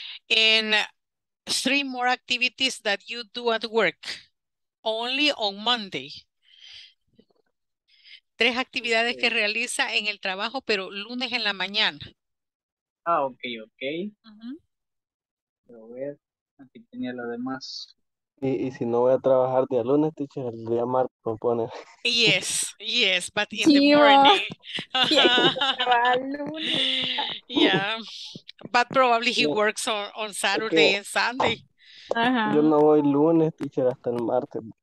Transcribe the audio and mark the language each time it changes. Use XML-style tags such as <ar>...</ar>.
<en>And three more activities that you do at work only on Monday.</en> <es>Tres actividades okay. Que realiza en el trabajo, pero lunes en la mañana. Ah, okay, okay. Uh-huh. A ver. Que tenía lo demás. Y si no voy a trabajar día lunes, teacher, el día martes propone.</es> <en>Yes, yes, but in the morning. Yeah, but probably he works on Saturday and Sunday.</en> <es>Yo no voy lunes, teacher, hasta el martes.</es>